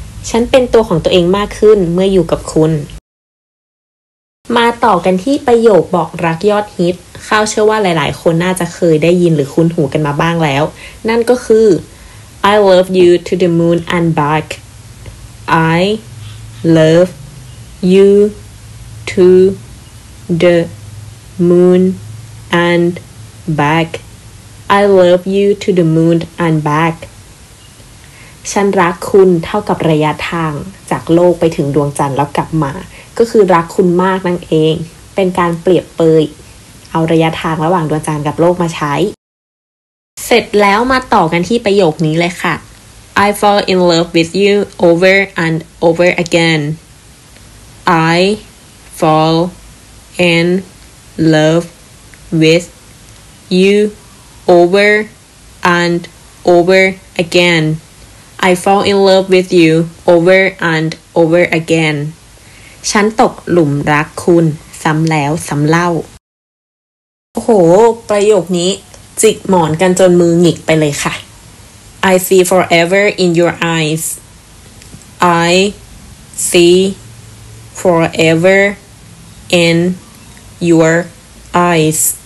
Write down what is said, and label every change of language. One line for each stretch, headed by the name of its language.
Thai: ฉันเป็นตัวของตัวเองมากขึ้นเมื่ออยู่กับคุณมาต่อกันที่ประโยคบอกรักยอดฮิตข้าวเชื่อว่าหลายๆคนน่าจะเคยได้ยินหรือคุ้นหูกันมาบ้างแล้วนั่นก็คือ
English: I love you to the moon and back. I love you to the moon and back. I love you to the moon and back.
Thai: ฉันรักคุณเท่ากับระยะทางจากโลกไปถึงดวงจันทร์แล้วกลับมาก็คือรักคุณมากนั่นเองเป็นการเปรียบเปยเอาระยะทางระหว่างดวงจันทร์กับโลกมาใช้เสร็จแล้วมาต่อกันที่ประโยคนี้เลยค่ะ
English: I fall in love with you over and over again. I fall in love with youOver and over again. I fall in love with you over and over again.
Thai: ฉันตกหลุมรักคุณซ้ำแล้วซ้ำเล่า โอ้โหประโยคนี้จิกหมอนกันจนมือหงิกไปเลยค่ะ
English: I see forever in your eyes. I see forever in your eyes.